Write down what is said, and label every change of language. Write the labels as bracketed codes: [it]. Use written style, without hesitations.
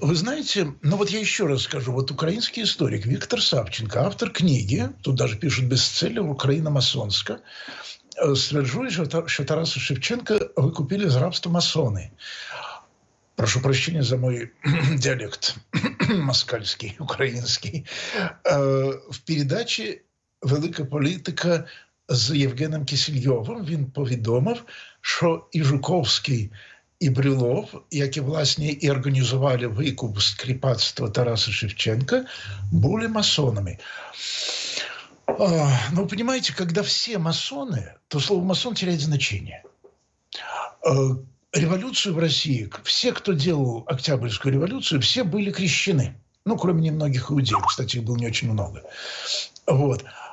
[ru] Вы знаете, ну вот я еще раз скажу. Вот украинский историк Виктор Савченко, автор книги, тут даже пишут «Бестселлер. Украина масонска», утверждает, что Тараса Шевченко выкупили из рабства масоны. Прошу прощения за мой диалект. Москальский, украинский. В передаче [uk] «Велика політика» з Євгеном Кисельйовим він повідомив, що і Жуковський, і Брюлов, які, власне, і організували викуп скріпацтва Тараса Шевченка, були масонами. [ru] Ну, понимаете, когда все масоны, то слово «масон» теряет значение. Революцию в России, все, кто делал Октябрьскую революцию, все были крещены. Ну, кроме немногих иудеев, кстати, их было не очень много. Вот.